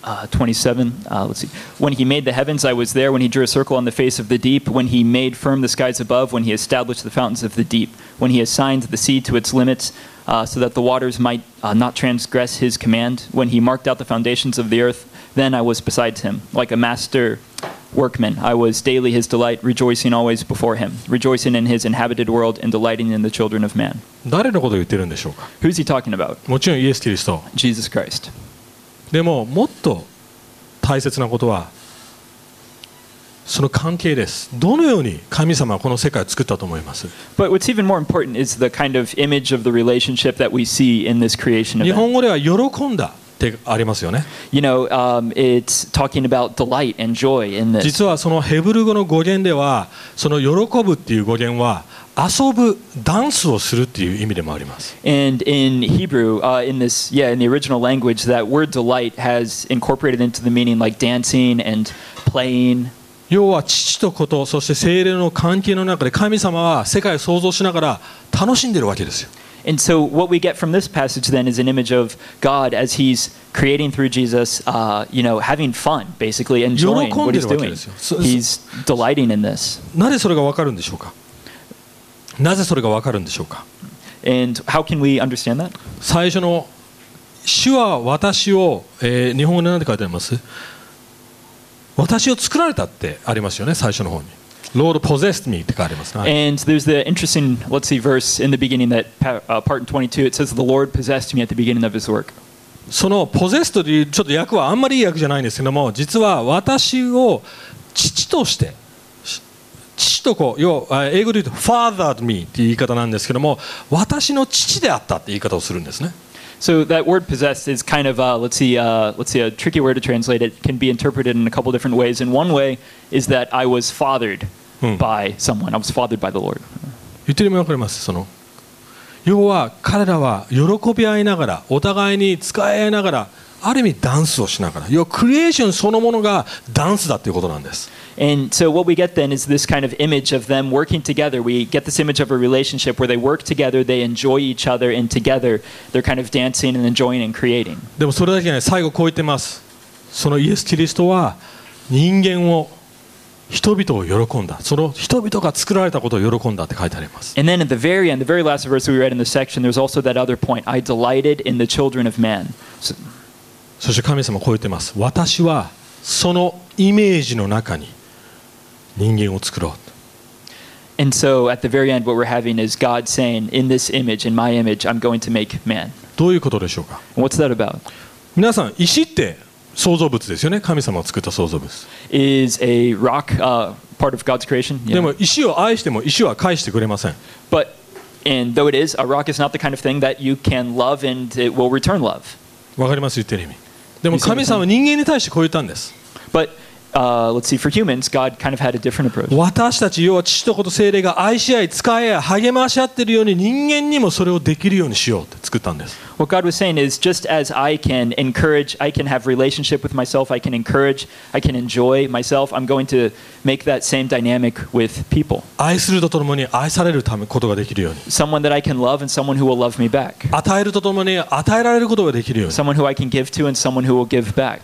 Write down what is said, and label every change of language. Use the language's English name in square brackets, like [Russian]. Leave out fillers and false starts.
[English] 27, let's see. When he made the heavens I was there, when he drew a circle on the face of the deep, when he made firm the skies above, when he established the fountains of the deep, when he assigned the sea to its limits,so that the waters might not transgress his command. When he marked out the foundations of the earth, then I was beside him, like a master workman. I was daily his delight, rejoicing always before him, rejoicing in his inhabited world and delighting in the children of man. [Japanese] 誰のことを言ってるんでしょうか? [English] Who's he talking about? [Japanese] もちろんイエス・キリスト。 [English] Jesus Christ. [Japanese] でも、もっと大切なことは、その関係です。どのように神様はこの世界を作ったと思います。 [English] But what's even more important is the kind of image of the relationship that we see in this creation event. [Japanese] 日本語では喜んだってありますよね。 [English] You know, it's talking about delight and joy in this. [Japanese] 実はそのヘブル語の語源では、その喜ぶっていう語源は、遊ぶ、ダンスをするっていう意味でもあります。 [English] And in Hebrew, in this, yeah, in the original language, that word delight has incorporated into the meaning like dancing and playing. [Japanese] 要は父と子と、そして聖霊の関係の中で神様は世界を創造しながら楽しんでいるわけですよ。 [English] And so what we get from this passage then is an image of God as he's creating through Jesus, you know, having fun, basically, enjoying what he's doing. [Japanese] 喜んでいるわけですよ。 [English] He's delighting in this. [Japanese] なぜそれがわかるんでしょうか。なぜそれがわかるんでしょうか。 [English] And how can we understand that? [Japanese] 最初の主は私を、日本語で何て書いてあります? 私を作られたってありますよね、最初の方に。 [English] Lord possessed me [Japanese] ってありますね。 [English] And there's the interesting, let's see, verse in the beginning that part 22, it says the Lord possessed me at the beginning of his work. [Japanese] その possessed というちょっと訳はあんまりいい訳じゃないんですけども、実は私を父として、父と子、要は英語で言うと [English] fathered me [Japanese] っていう言い方なんですけども、私の父であったって言い方をするんですね。 [English] So that word possessed is kind of a tricky word to translate. It can be interpreted in a couple different ways. And one way is that I was fathered by someone. I was fathered by the Lord. [Japanese] 言ってるのも分かります。その要は彼らは喜び合いながら、お互いに使い合いながら、ある意味ダンスをしながら、要はクリエーションそのものがダンスだということなんです。 [English] And so what we get then is this kind of image of them working together. We get this image of a relationship where they work together, they enjoy each other, and together they're kind of dancing and enjoying and creating. [Japanese] でもそれだけじゃない。最後こう言ってます。そのイエス・キリストは人間を人々を喜んだ。その人々が作られたことを喜んだって書いてあります。 [English] And then at the very end, the very last verse we read in the section, there's also that other point. I delighted in the children of man. [Japanese] そして神様こう言ってます。私はそのイメージの中に人間を作ろう。 [English] And so at the very end, what we're having is God saying, in this image, in my image, I'm going to make man. [Japanese] どういうことでしょうか。 [English] What's that about? [Japanese] 皆さん、石って創造物ですよね。神様が作った創造物。 [English] Is a rock, part of God's creation? [Japanese] Yeah. でも石を愛しても石は返してくれません。 [English] But, and though it is, a rock is not the kind of thing that you can love and it will return love. [Japanese] わかります言ってる意味。でも神様は人間に対してこう言ったんです。 [English] But,let's see, for humans, God kind of had a different approach. [Japanese] 私たち要は父と子と聖霊が愛し合い、使い合い、励まし合っているように人間にもそれをできるようにしようって作ったんです。 [English] What God was saying is just as I can encourage, I can have relationship with myself, I can encourage, I can enjoy myself, I'm going to make that same dynamic with people. [Japanese] 愛するとともに愛されるためことができるように。 [English] Someone that I can love and someone who will love me back. [Japanese] 与えるとともに与えられることができるように。 [English] Someone who I can give to and someone who will give back.